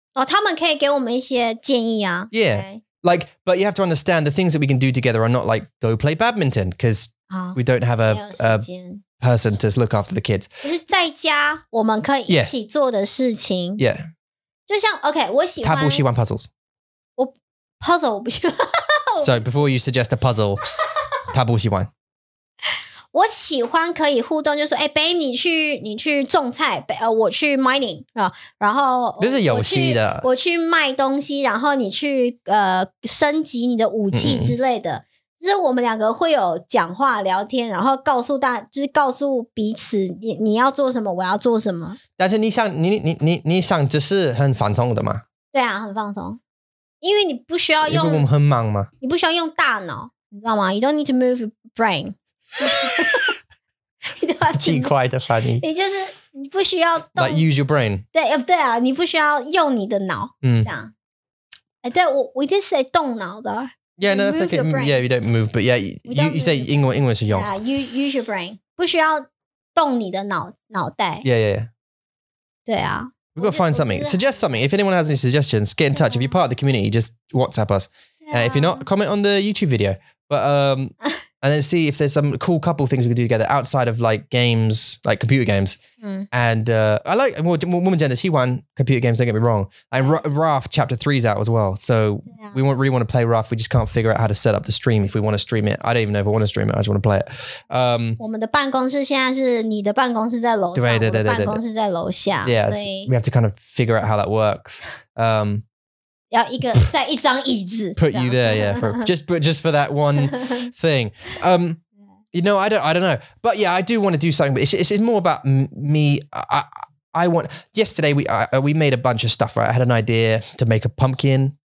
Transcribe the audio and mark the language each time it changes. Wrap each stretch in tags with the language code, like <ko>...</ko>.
<zh>哦、他们可以给我们一些建议啊。</zh> <en>Yeah.、Okay. Like, but you have to understand the things that we can do together are not like go play badminton because、 oh, we don't have a person to look after the kids.</en> <zh>可是在家我们可以一起做的事情。</zh> <en>Yeah.</en> <zh>就像 OK, 我喜欢。他不喜欢 puzzles. 我 puzzle 我不喜欢。</zh> <en>So before you suggest a puzzle,</en> <zh>他不喜欢。我喜欢可以互动，就是说，哎、欸，贝，你去种菜，我去 mining 啊，然后这是游戏的我去卖东西，然后你去升级你的武器之类的，就是我们两个会有讲话聊天，然后告诉大家，就是告诉彼此你要做什么，我要做什么。但是你想，你想，这是很放松的吗？对啊，很放松，因为你不需要用我们很忙吗？你不需要用大脑，你知道吗 ？</zh> <en>You don't need to move your brain。</en> <zh>奇怪的翻译，你就是你不需要动</zh> <en>like use your brain</en> <zh>对啊，你不需要用你的脑，这样。哎，对我就是动脑的。</zh> <en>Yeah, no, that's okay. Yeah, you don't move, but yeah, you say</en> <zh>英文是用</zh> <en>yeah, use your brain,</en> <zh>不需要动你的脑袋。</zh> <en>Yeah.</en> <zh>对啊。</zh> <en>We've got to find something. Suggest something. If anyone has any suggestions, get in touch. If you're part of the community, just WhatsApp us. If you're not, comment on the YouTube video. But and then see if there's some cool couple things we could do together outside of like games, like computer games. And I like, woman gender, she won computer games, don't get me wrong. And Raft Chapter 3 is out as well. So we really want to play Raft. We just can't figure out how to set up the stream if we want to stream it. I don't even know if I want to stream it. I just want to play it.</en> <zh>我们的办公室现在是你的办公室在楼上，我的办公室在楼下。</zh> <en>Yeah, so we have to kind of figure out how that works.</en> <zh>要一个在一张椅子</zh> <en>put you there yeah for, just for that one thing you know I don't know but yeah I do want to do something but it's more about me I want yesterday we made a bunch of stuff right I had an idea to make a pumpkin</en>